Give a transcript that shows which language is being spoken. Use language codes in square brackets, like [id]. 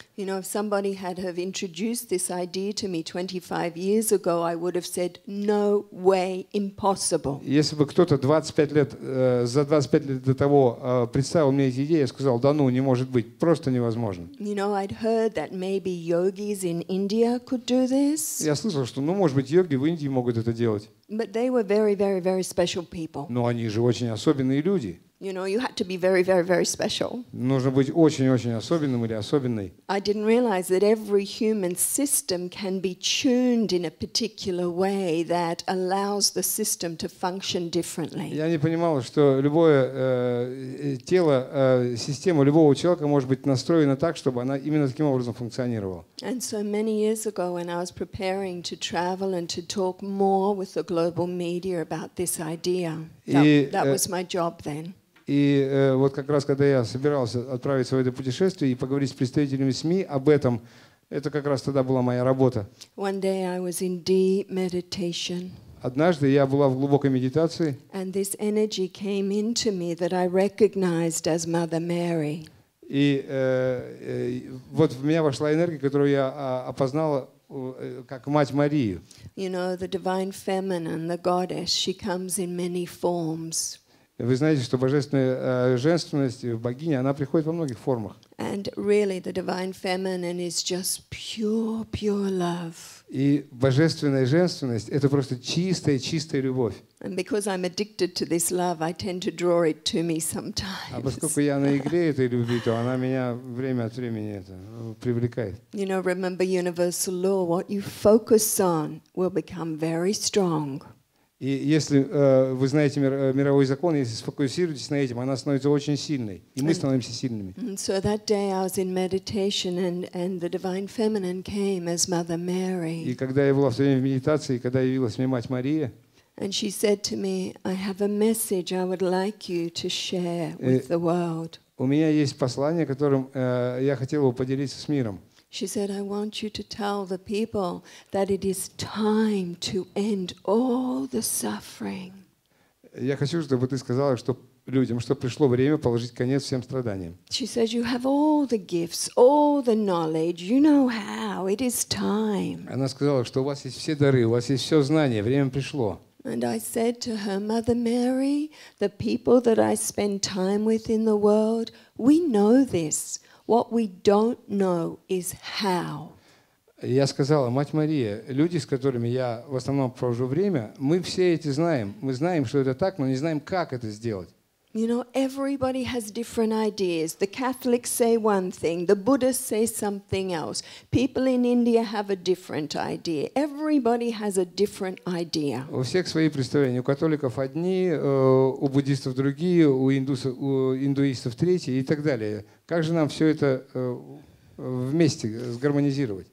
[en] You know, if somebody had have introduced this idea to me 25 years ago, I would have said, no way, impossible. [ru] Если бы кто-то 25 лет, за 25 лет до того представил мне эти идеи, я сказал, да ну, не может быть, просто невозможно. [en] You know, I'd heard that maybe yogis in India could do this. [ru] Я слышал, что, ну, может быть, йоги в Индии могут это делать. [en] But they were very, very, very special people. [ru] Но они же очень особенные люди. [en] You know, you had to be very, very, very special. [ru] Нужно быть очень-очень особенным или особенной. [en] I didn't realize that every human system can be tuned in a particular way that allows the system to function differently. [ru] Я не понимала, что любое тело, система любого человека может быть настроена так, чтобы она именно таким образом функционировала. [en] And so many years ago, when I was preparing to travel and to talk more with the global media about this idea, that was my job then. [ru] И вот как раз, когда я собирался отправиться в это путешествие и поговорить с представителями СМИ об этом, это как раз тогда была моя работа. [en] One day I was in deep meditation. [ru] Однажды я была в глубокой медитации. [en] And this energy came into me that I recognized as Mother Mary. [ru] И вот в меня вошла энергия, которую я опознала как Мать Марию. [en] You know, the divine feminine, the goddess, she comes in many forms. [ru] Вы знаете, что божественная женственность, богиня, она приходит во многих формах. [en] And really, the divine feminine is just pure, pure love. [ru] И божественная женственность — это просто чистая, чистая любовь. [en] And because I'm addicted to this love, I tend to draw it to me sometimes. [ru] А поскольку я на игре этой любви, то она меня время от времени это привлекает. [en] You know, remember universal law: what you focus on will become very strong. [ru] И если вы знаете мировой закон, если сфокусируетесь на этом, она становится очень сильной, и мы становимся сильными. [en] So that day I was in meditation, and the divine feminine came as Mother Mary. [ru] И когда я была в своей медитации, когда явилась мне Мать Мария, [en] and she said to me, I have a message I would like you to share with the world. [ru] У меня есть послание, которым я хотел бы поделиться с миром. [en] She said, I want you to tell the people that it is time to end all the suffering. [ru] Я хочу, чтобы ты сказала, что людям, что пришло время положить конец всем страданиям. [en] She says, you have all the gifts, all the knowledge, you know how, it is time. [ru] Она сказала, что у вас есть все дары, у вас есть все знания, время пришло. [en] And I said to her, Mother Mary, the people that I spend time with in the world, we know this. What we don't know is how. [ru] Я сказала, Мать Мария, люди, с которыми я в основном провожу время, мы все эти знаем. Мы знаем, что это так, но не знаем, как это сделать. [en] You know, everybody has different ideas. The Catholics say one thing, the Buddhists say something else. People in India have a different idea. Everybody has a different idea. [ru] У всех свои представления. У католиков одни, у буддистов другие, у индуистов третьи и так далее. Как же нам все это вместе сгармонизировать?